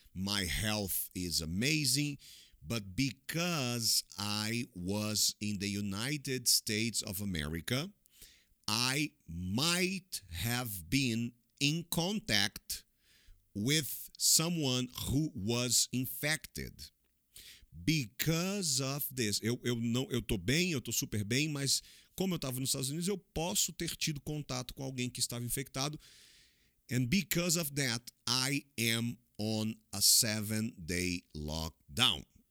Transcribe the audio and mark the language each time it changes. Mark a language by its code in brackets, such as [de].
[en] My health is amazing. But because I was in the United States of America, I might have been in contact with someone who was infected. Because of this. [pt] Eu tô bem, eu tô super bem, mas como eu tava nos Estados Unidos, eu posso ter tido contato com alguém que estava infectado. [en] And because of that, I am on a 7-day lockdown.